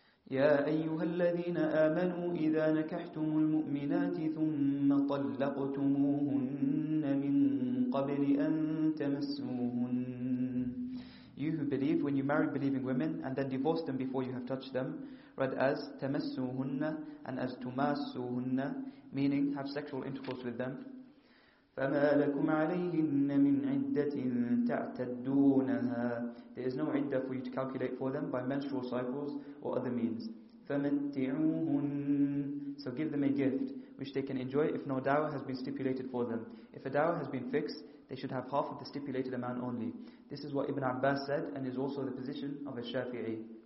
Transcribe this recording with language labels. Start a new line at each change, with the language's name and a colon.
Arabic: يَا أَيُّهَا الَّذِينَ آمَنُوا إِذَا نَكَحْتُمُ الْمُؤْمِنَاتِ ثُمَّ طَلَّقْتُمُوهُنَّ مِنْ قَبْلِ أَن تَمَسُّوهُنَّ.
English: You who believe, when you marry believing women and then divorce them before you have touched them, read as تَمَسُّوهُنَّ and as تُمَاسُّوهُنَّ, meaning have sexual intercourse with them.
Arabic: فما لكم عليهن من عدة تعتدونها.
English: There is no عدة for you to calculate for them by menstrual cycles or other means.
Arabic: فمتعوهن.
English: So give them a gift which they can enjoy if no dower has been stipulated for them. If a dower has been fixed, they should have half of the stipulated amount only. This is what Ibn Abbas said and is also the position of a Shafi'i.